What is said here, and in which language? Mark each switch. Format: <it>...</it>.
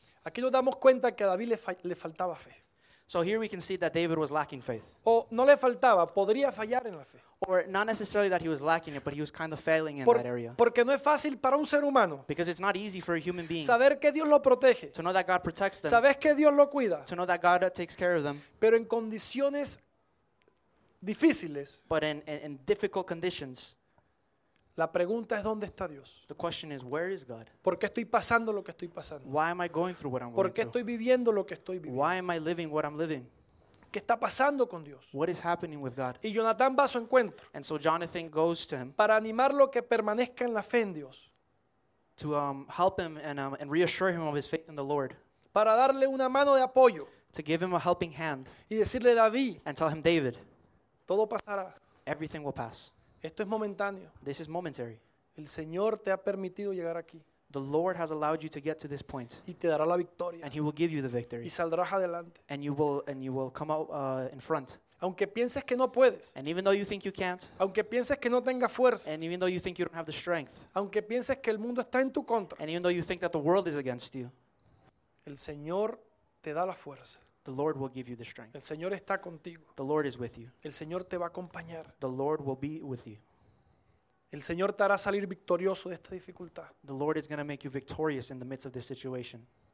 <es>Aquí nos damos cuenta que a David le faltaba fe.</es> <en>So here we can see that David was lacking faith.</en> <es>O no le faltaba, podría fallar en la fe.</es> <en>Or not necessarily that he was lacking it, but he was kind of failing in that area.</en> <es>Porque no es fácil para un ser humano.</es> <en>Because it's not easy for a human being.</en> <es>Saber que Dios lo protege.</es> <en>To know that God protects them.</en> <es>Saber que Dios lo cuida.</es> <en>To know that God takes care of them.</en> <es>Pero en condiciones difíciles.</es> <en>But in difficult conditions.</en> <es>La pregunta es dónde está Dios.</es> <en>The question is where is God?</en> <es>¿Por qué estoy pasando lo que estoy pasando?</es> <en>Why am I going through what I'm going through?</en> <es>¿Por qué estoy viviendo lo que estoy viviendo?</es> <en>Why am I living what I'm living?</en> <es>¿Qué está pasando con Dios?</es> <en>What is happening with God?</en> <es>Y Jonathan va a su encuentro.</es> <en>And so Jonathan goes to him.</en> <es>Para animarlo que permanezca en la fe en Dios.</es> <en>To help him and reassure him of his faith in the Lord.</en> <es>Para darle una mano de apoyo.</es> <en>To give him a helping hand.</en> <es>Y decirle a David.</es> <en>And tell him, David.</en> <es>Todo pasará.</es> <en>Everything will pass.</en> <es>Esto es momentáneo.</es> <en>This is momentary.</en> <es>El Señor te ha permitido llegar aquí.</es> <en>The Lord has allowed you to get to this point.</en> <es>Y te dará la victoria.</es> <en>And he will give you the victory.</en> <es>Y saldrás adelante.</es> <en>And you will come out in front.</en> <es>Aunque pienses que no puedes.</es> <en>And even though you think you can't.</en> <es>Aunque pienses que no tengas fuerza.</es> <en>And even though you think you don't have the strength.</en> <es>Aunque pienses que el mundo está en tu contra.</es> <en>And even though you think that the world is against you.</en> <es>El Señor te da la fuerza.</es> <en>The Lord will give you the strength.</en> <es>El Señor está contigo.</es> <en>The Lord is with you.</en> <es>El Señor te va a acompañar.</es> <en>The Lord will be with you.</en> <es>El Señor te hará salir victorioso de esta dificultad.</es> <en>The Lord is going to make you victorious in the midst of this situation.</en>